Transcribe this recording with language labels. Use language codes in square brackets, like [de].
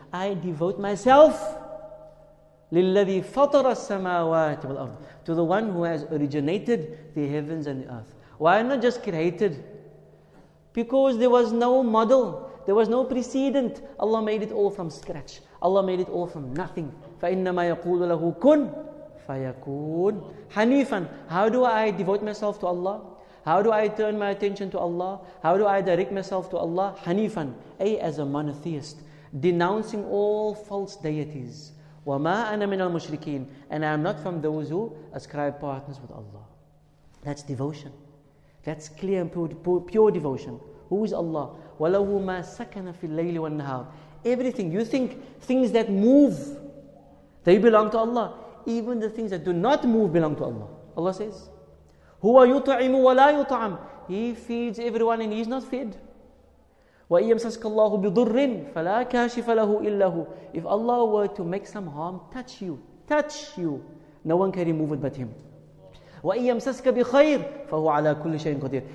[en] I devote myself [ar] للذي فطر السماوات والأرض. [en] To the one who has originated the heavens and the earth. Why not just created? Because there was no model. There was no precedent. Allah made it all from scratch. Allah made it all from nothing. [ar] فَإِنَّمَا يَقُولُ لَهُ كُنْ فَيَكُونَ حَنِيفًا. [en] How do I devote myself to Allah? How do I turn my attention to Allah? How do I direct myself to Allah? [ar] حَنِيفًا. [en] A, as a monotheist. Denouncing all false deities. [ar] وَمَا أَنَا مِنَ الْمُشْرِكِينَ. [en] And I am not from those who ascribe partners with Allah. That's devotion. That's clear and pure devotion. Who is Allah? [ar] وَلَهُ مَا سَكَنَ فِي اللَّيْلِ وَالنَّهَارِ. [en] Everything. You think things that move, they belong to Allah. Even the things that do not move belong to Allah. [ar] Allah says, هُوَ يُطْعِمُ وَلَا يُطْعَمُ. [en] He feeds everyone and he is not fed. [ar] وَإِن يَمْسَسْكَ اللَّهُ بِضُرٍّ فَلَا كَاشِفَ لَهُ إِلَّا هُوَ. [en] If Allah were to make some harm, touch you, no one can remove it but him. [ar] وَإِن يَمْسَسْكَ بِخَيْرٍ فَهُوَ عَلَى كُلِّ شَيْءٍ قَدِيرٍ.